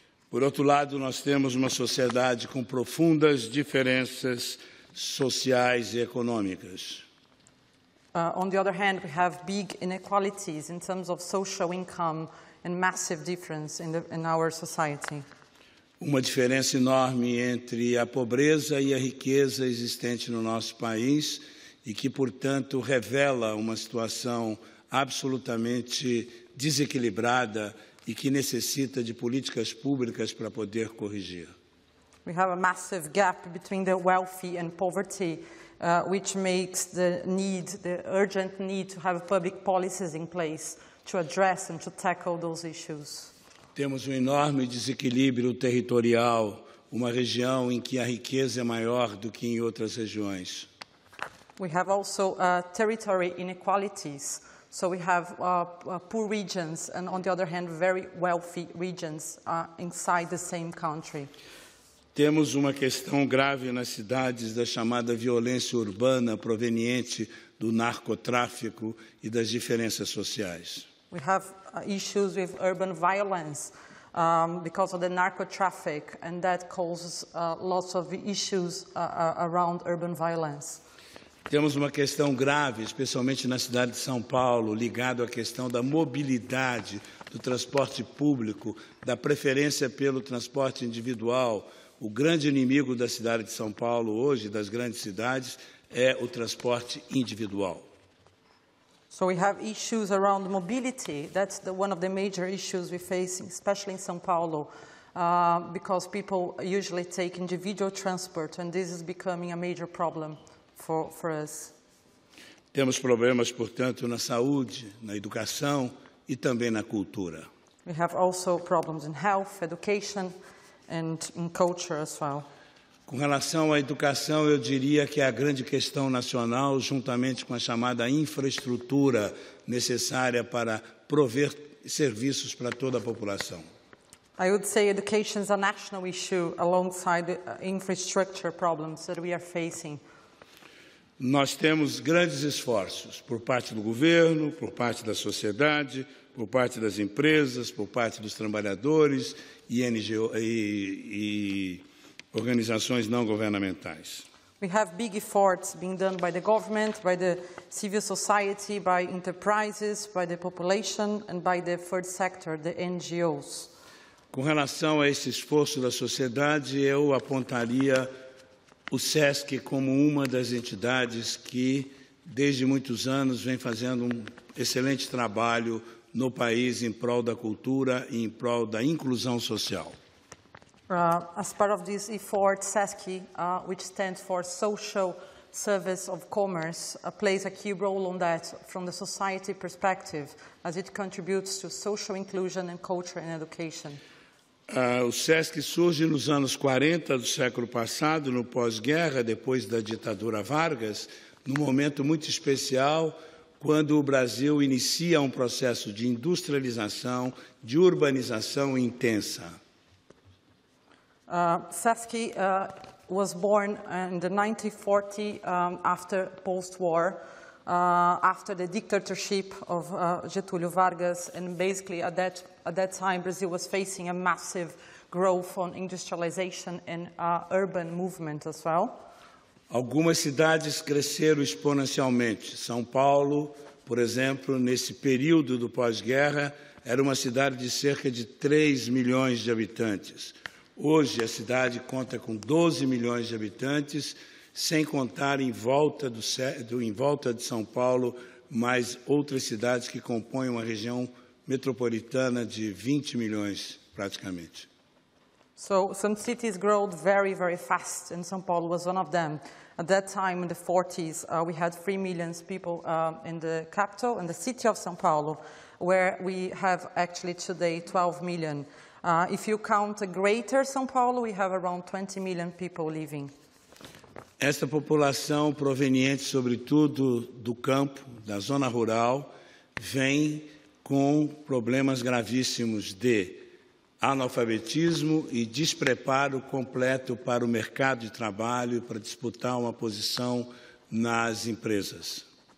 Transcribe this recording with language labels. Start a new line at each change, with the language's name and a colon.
Portuguese: Por outro lado, nós temos uma sociedade com profundas diferenças sociais e econômicas.
English: On the other hand, we have big inequalities in terms of social income and massive difference in our society.
Portuguese: Uma diferença enorme entre a pobreza e a riqueza existente no nosso país e que, portanto, revela uma situação absolutamente desequilibrada e que necessita de políticas públicas para poder corrigir.
English: We have a massive gap between the wealthy and poverty, which makes the urgent need to have public policies in place to address and to tackle those issues.
Portuguese: Temos enorme desequilíbrio territorial, uma região em que a riqueza é maior do que em outras regiões.
English: We have also territory inequalities. So we have poor regions and, on the other hand, very wealthy regions inside the same country.
Portuguese: Temos uma questão grave nas cidades da chamada violência urbana proveniente do narcotráfico e das diferenças sociais.
English: We have issues with urban violence because of the narcotraffic, and that causes lots of issues around urban violence.
Portuguese: Temos uma questão grave, especialmente na cidade de São Paulo, ligado à questão da mobilidade, do transporte público, da preferência pelo transporte individual. O grande inimigo da cidade de São Paulo hoje, das grandes cidades, é o transporte individual.
English: So we have issues around mobility. That's one of the major issues we face, especially in São Paulo, because people usually take individual transport, and this is becoming a major problem for us.
Portuguese: Temos problemas, portanto, na saúde, na educação e também na cultura.
English: We have also problems in health, education, and in culture as well.
Portuguese: Com relação à educação, eu diria que é a grande questão nacional, juntamente com a chamada infraestrutura necessária para prover serviços para toda a população.
English: I would say education is a national issue alongside the infrastructure problems that we are facing.
Portuguese: Nós temos grandes esforços por parte do governo, por parte da sociedade, por parte das empresas, por parte dos trabalhadores e organizações não governamentais.
English: We have big efforts being done by the government, by the civil society, by enterprises, by the population and by the third sector, the NGOs.
Portuguese: Com relação a esse esforço da sociedade, eu apontaria o SESC como uma das entidades que, desde muitos anos, vem fazendo excelente trabalho no país em prol da cultura e em prol da inclusão social.
English: As part of this effort, SESC, which stands for Social Service of Commerce, plays a key role on that from the society perspective, as it contributes to social inclusion and culture and education.
Portuguese: O SESC surge nos anos 40 do século passado, no pós-guerra, depois da ditadura Vargas, num momento muito especial, quando o Brasil inicia processo de industrialização, de urbanização intensa.
English: SESC was born in the 1940 after post-war, after the dictatorship of Getúlio Vargas, and basically at that time Brazil was facing a massive growth on industrialization and urban movement as well.
Portuguese: Algumas cidades cresceram exponencialmente. São Paulo, por exemplo, nesse período do pós-guerra, era uma cidade de cerca de 3 milhões de habitantes. Hoje, a cidade conta com 12 milhões de habitantes, sem contar em volta de São Paulo, mais outras cidades que compõem uma região metropolitana de 20 milhões, praticamente.
English: So some cities grew very, very fast, and São Paulo was one of them. At that time, in the 40s, we had 3 million people in the capital, in the city of São Paulo, where we have actually today 12 million. If you count a greater São Paulo, we have around 20 million people living.
Portuguese: Esta população, proveniente sobretudo do campo, da zona rural, vem com problemas gravíssimos de analfabetismo e despreparo completo para o mercado de trabalho e para disputar uma posição nas empresas.